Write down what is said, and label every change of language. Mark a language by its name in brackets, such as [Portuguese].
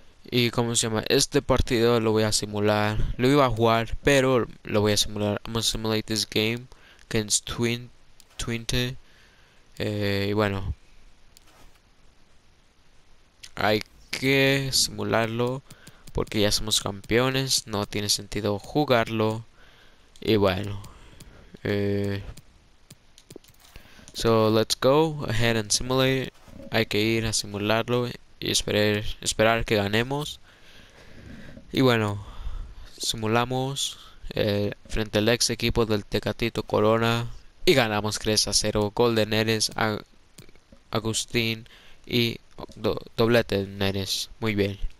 [Spanish] Y cómo se llama, este partido lo voy a simular. Lo iba a jugar, pero lo voy a simular. [English] I'm gonna simulate this game against Twente. [Spanish] Y bueno, hay que simularlo porque ya somos campeones. No tiene sentido jugarlo. Y bueno, [English] so let's go ahead and simulate it. [Spanish] Hay que ir a simularlo y esperar que ganemos. Y bueno, simulamos frente al ex equipo del Tecatito Corona y ganamos 3-0. Gol de Neres, Agustín y doblete de Neres. Muy bien.